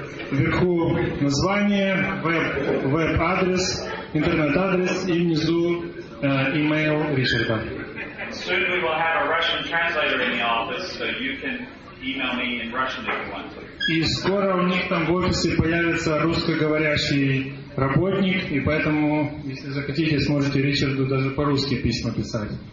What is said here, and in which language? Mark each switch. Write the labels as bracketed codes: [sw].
[ru] Вверху название, веб-адрес, интернет-адрес и внизу email Ричарда. [en] Soon we will have a Russian translator in the office, so you can email me in Russian if you want to. [ru] И скоро у них там в офисе появится русскоговорящий работник, и поэтому, если захотите, сможете Ричарду даже по-русски письма писать.